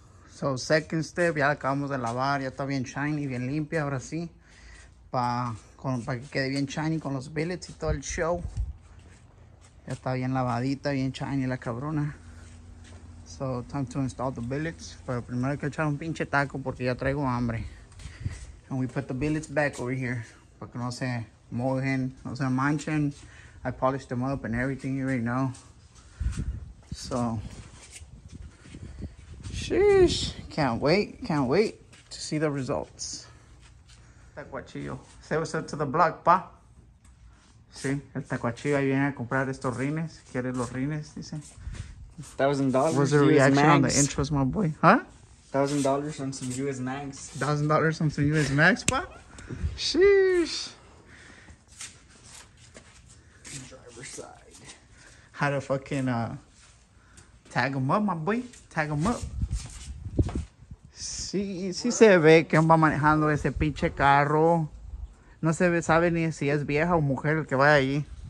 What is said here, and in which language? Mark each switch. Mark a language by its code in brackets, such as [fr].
[en] So second step, [es] ya acabamos de lavar, ya está bien shiny, bien limpia, ahora sí. Pa que quede bien shiny con los billets y todo el show. Ya está bien lavadita, bien shiny la cabrona. [en] So time to install the billets. [es] Pero primero hay que echar un pinche taco porque ya traigo hambre. [en] And we put the billets back over here. [es] Pa que no se mojen, no se manchen. [en] I polished them up and everything, you already know. So, sheesh, can't wait to see the results. Tacuachillo, say what's up to the block, pa. [es] Sí, el tacuachillo ahí viene a comprar estos rines. Quiere los rines, dice. [en] $1,000. What's the reaction on the intros, my boy? Huh? $1,000 on some US Max. $1,000 on some US Max, pa? Sheesh. How to fucking tag him up, my boy. Tag him up. [es] Sí, se ve que va manejando ese pinche carro. No se ve, sabe ni si es vieja o mujer el que va allí.